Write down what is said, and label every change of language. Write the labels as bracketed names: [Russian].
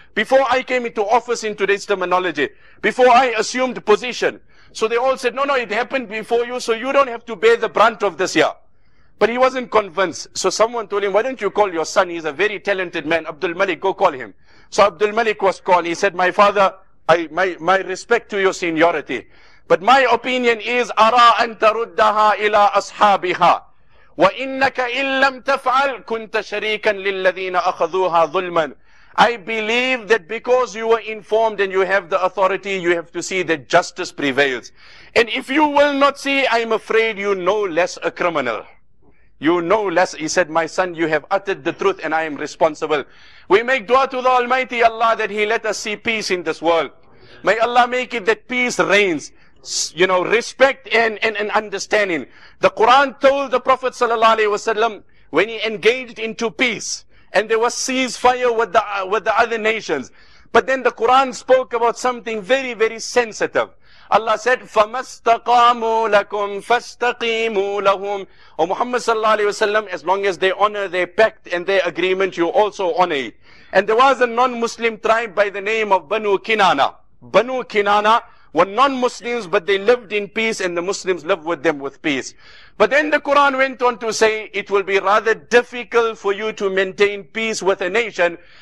[English] Before I came into office in today's terminology? Before I assumed position? So they all said, no, it happened before you, so you don't have to bear the brunt of this here. But he wasn't convinced. So someone told him, why don't you call your son? He's a very talented man. Abdul Malik, go call him. So Abdul Malik was called. He said, my father, my respect to your seniority. But my opinion is, [Arabic] أَرَىٰ أَن تَرُدَّهَا إِلَىٰ أَصْحَابِهَا وَإِنَّكَ إِن لَّمْ تَفْعَلْ كُنْتَ شَرِيكًا لِلَّذِينَ أَخَذُوهَا ظُلْمًا. [English] I believe that because you were informed and you have the authority, you have to see that justice prevails. And if you will not see, I'm afraid you no less a criminal. You know less. He said, my son, you have uttered the truth and I am responsible. We make dua to the Almighty Allah that he let us see peace in this world. May Allah make it that peace reigns. You know, respect and understanding. The Quran told the Prophet Sallallahu Alaihi Wasallam when he engaged into peace and there was ceasefire with the other nations. But then the Quran spoke about something very, very sensitive. Allah said, [Arabic] فَمَسْتَقَامُوا لَكُمْ فَاسْتَقِيمُوا لَهُمْ. [English] O Muhammad sallallahu alayhi wasallam, as long as they honor their pact and their agreement, you also honor it. And there was a non-Muslim tribe by the name of Banu Kinana. Banu Kinana were non-Muslims, but they lived in peace and the Muslims lived with them with peace. But then the Quran went on to say, it will be rather difficult for you to maintain peace with a nation.